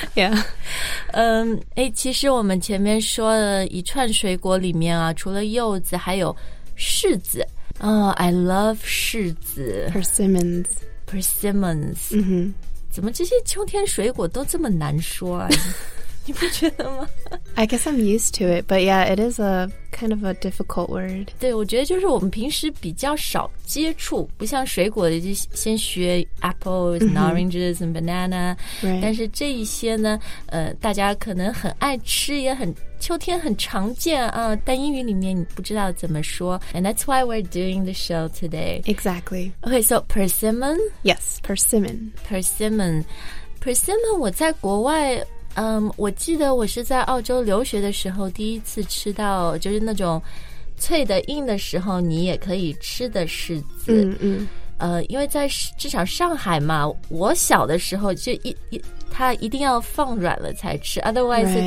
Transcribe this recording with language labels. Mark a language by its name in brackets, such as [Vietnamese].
[English] yeah [Chinese] 其实我们前面说了一串水果里面啊，除了柚子，还有柿子。 [English] I love 柿子。 Persimmons. Persimmons. 嗯哼。 [Chinese] 怎么这些秋天水果都这么难说啊？你不觉得吗 [English] I guess I'm used to it, but yeah, it is a kind of a difficult word. [Chinese] 对，我觉得就是我们平时比较少接触，不像水果的，就先学 [English] apples and oranges and banana. Right. [Chinese] 但是这一些呢，大家可能很爱吃，也很秋天很常见啊。但英语里面你不知道怎么说。 [English] And that's why we're doing the show today. Exactly. Okay, so persimmon? Yes, persimmon. [Chinese] Persimmon. Persimmon, 我在国外我记得我是在澳洲留学的时候第一次吃到就是那种脆的硬的时候你也可以吃的柿子因为在至少上海嘛我小的时候就它一定要放软了才吃 [English] otherwise、